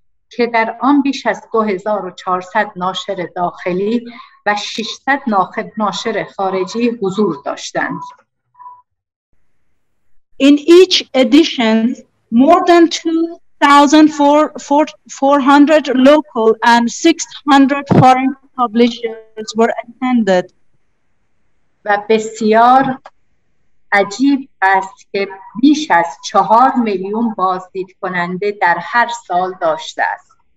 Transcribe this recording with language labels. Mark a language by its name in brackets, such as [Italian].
[Persian] که در آن بیش از 2400 ناشر داخلی و 600 ناشر خارجی حضور داشتند. [English] In each edition, more than 2,400 local and 600 foreign publishers were attended. [Persian] و بسیار عجیب است که بیش از 4 میلیون بازدید کننده در هر سال داشته است.